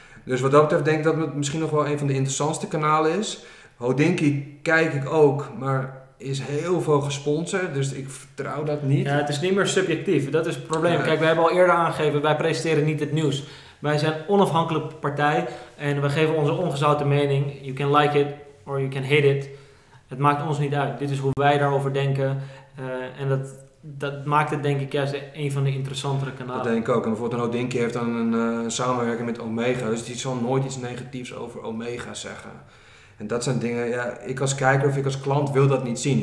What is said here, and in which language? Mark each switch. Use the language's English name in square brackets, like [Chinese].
[Dutch] Dus wat dat betreft denk ik dat het misschien nog wel een van de interessantste kanalen is. Houdinki kijk ik ook, maar is heel veel gesponsord, dus ik vertrouw dat niet. Ja, het is niet meer subjectief, dat is het probleem. Nee. Kijk, we hebben al eerder aangegeven, wij presenteren niet het nieuws. Wij zijn onafhankelijke partij en we geven onze ongezouten mening. [English] You can like it or you can hate it. [Dutch] Het maakt ons niet uit. Dit is hoe wij daarover denken. En dat maakt het denk ik juist een van de interessantere kanalen. Dat denk ik ook. En bijvoorbeeld een Odinkie heeft dan een samenwerking met Omega. Dus die zal nooit iets negatiefs over Omega zeggen. En dat zijn dingen, ja, ik als kijker of ik als klant wil dat niet zien.